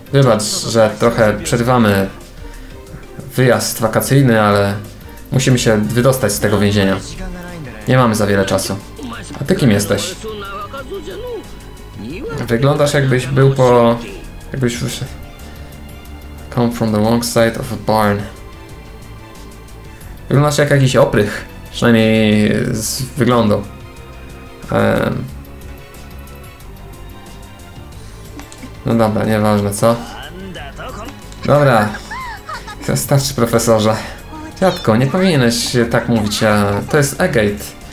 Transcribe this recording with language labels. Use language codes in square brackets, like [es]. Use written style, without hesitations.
[pl] Wybacz, że trochę przerywamy wyjazd wakacyjny, ale musimy się wydostać z tego więzienia. Nie mamy za wiele czasu. A ty kim jesteś? Wyglądasz, jakbyś był po... jakbyś... [en] Come from the wrong side of a barn. [pl] Wyglądasz jak jakiś oprych. Przynajmniej z wyglądu. No dobra, nieważne co. Dobra. Starczy, profesorze. Dziadko, nie powinieneś tak mówić. To jest Agate.